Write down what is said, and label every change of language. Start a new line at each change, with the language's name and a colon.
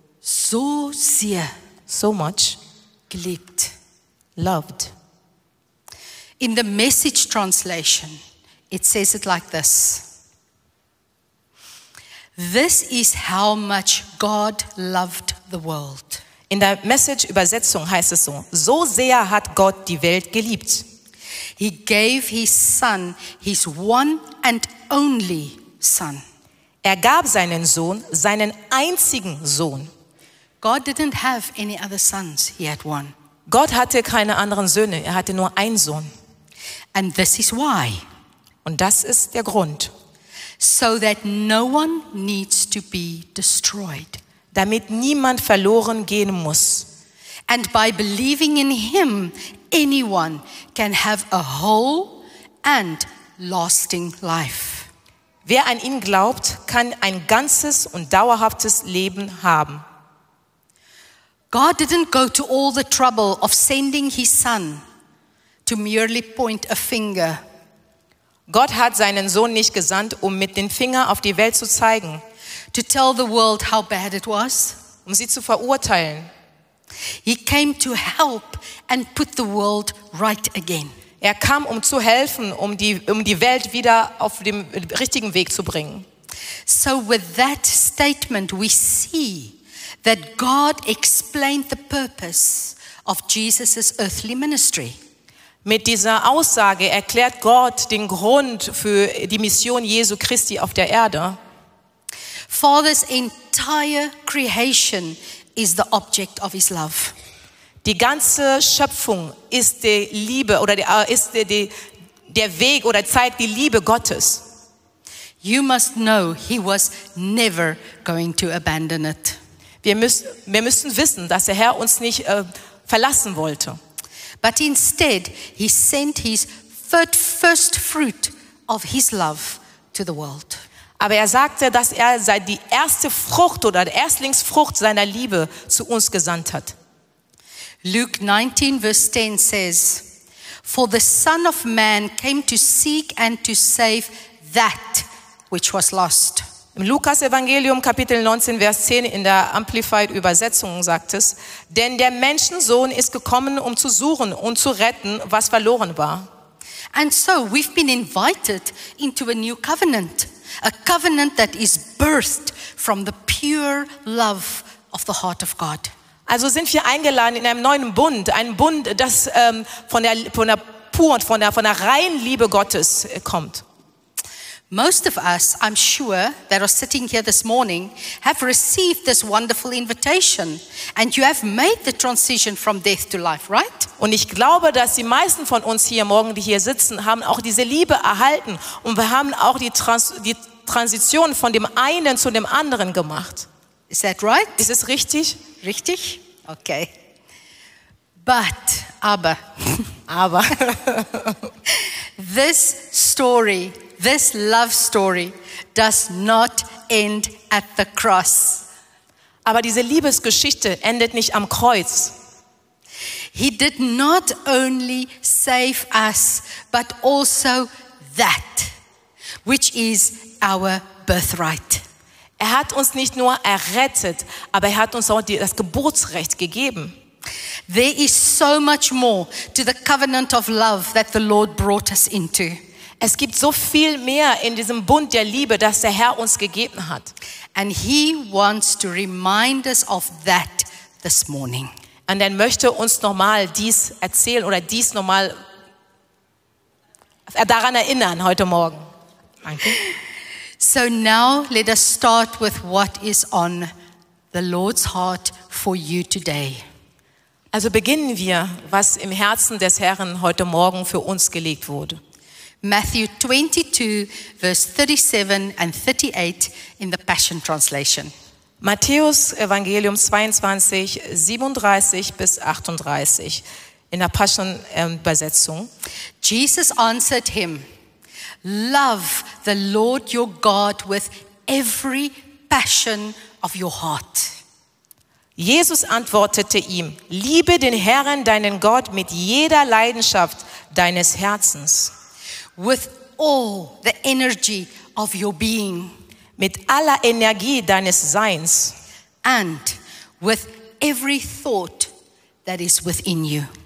German: so sehr,
English: so much,
German: geliebt,
English: loved. In the Message translation, it says it like this. This is how much God loved the world.
German: In der Message-Übersetzung heißt es so: So sehr hat Gott die Welt geliebt.
English: He gave his son, his one and only son.
German: Er gab seinen Sohn, seinen einzigen Sohn.
English: God didn't have any other sons, he had one.
German: Gott hatte keine anderen Söhne, er hatte nur einen Sohn.
English: And this is why.
German: Und das ist der Grund.
English: So that no one needs to be destroyed.
German: Damit niemand verloren gehen muss.
English: And by believing in him, anyone can have a whole and lasting life.
German: Wer an ihn glaubt, kann ein ganzes und dauerhaftes Leben haben.
English: God didn't go to all the trouble of sending his son to merely point a finger.
German: Gott hat seinen Sohn nicht gesandt, um mit dem Finger auf die Welt zu zeigen.
English: To tell the world how bad it was.
German: Um sie zu verurteilen.
English: He came to help and put the world right again.
German: Er kam, um zu helfen, um die Welt wieder auf dem richtigen Weg zu bringen.
English: So with that statement we see that God explained the purpose of Jesus' earthly ministry.
German: Mit dieser Aussage erklärt Gott den Grund für die Mission Jesu Christi auf der Erde.
English: Father's entire creation is the object of his love.
German: Die ganze Schöpfung ist die Liebe oder ist der Weg oder zeigt die Liebe Gottes.
English: You must know he was never going to abandon it.
German: Wir müssen wissen, dass der Herr uns nicht verlassen wollte.
English: But instead, he sent his first fruit of his love to the world.
German: Aber er sagte, dass er die erste Frucht oder die Erstlingsfrucht seiner Liebe zu uns gesandt hat.
English: Luke 19, verse 10 says, For the Son of Man came to seek and to save that which was lost.
German: Im Lukas-Evangelium, Kapitel 19, Vers 10, in der Amplified-Übersetzung sagt es, denn der Menschensohn ist gekommen, um zu suchen und zu retten, was verloren war.
English: And so we've been invited into a new covenant. A covenant that is birthed from the pure love of the heart of God.
German: Also sind wir eingeladen in einem neuen Bund. Ein Bund, das von der puren, von der reinen Liebe Gottes kommt.
English: Most of us, I'm sure, that are sitting here this morning have received this wonderful invitation and you have made the transition from death to life, right?
German: Und ich glaube, dass die meisten von uns hier morgen, die hier sitzen, haben auch diese Liebe erhalten und wir haben auch die Transition von dem einen zu dem anderen gemacht.
English: Is that right?
German: Ist es richtig? Richtig? Okay. But, aber. Aber.
English: This story, this love story does not end at the cross.
German: Aber diese Liebesgeschichte endet nicht am Kreuz.
English: He did not only save us, but also that, which is our birthright.
German: Er hat uns nicht nur errettet, aber er hat uns auch das Geburtsrecht gegeben.
English: There is so much more to the covenant of love that the Lord brought us into.
German: Es gibt so viel mehr in diesem Bund der Liebe, das der Herr uns gegeben hat.
English: And he wants to remind us of that this morning.
German: Und er möchte uns nochmal dies erzählen oder dies nochmal daran erinnern heute Morgen. Danke.
English: So now let us start with what is on the Lord's heart for you today.
German: Also beginnen wir, was im Herzen des Herrn heute Morgen für uns gelegt wurde.
English: Matthew 22, verse 37 and 38 in the Passion Translation.
German: Matthäus Evangelium 22, 37 bis 38 in der Passion-Übersetzung.
English: Jesus answered him, love the Lord your God with every passion of your heart.
German: Jesus antwortete ihm, liebe den Herrn, deinen Gott, mit jeder Leidenschaft deines Herzens.
English: With all the energy of your being.
German: Mit aller Energie deines Seins.
English: And with every thought that is within you.